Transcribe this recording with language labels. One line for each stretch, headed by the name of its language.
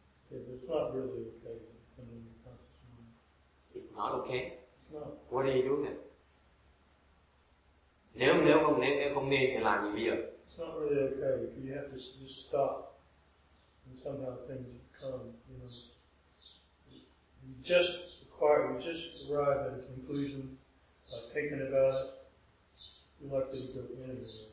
English: Yeah, it's not really okay to depend on your conscious mind. It's not okay? It's not. What are you doing then?
Vietnamese: Nếu không nên thì làm gì bây giờ?
English: It's not really okay. You have to just stop and somehow things come, you know. We just arrived at a conclusion by thinking about it. You're likely to go in there.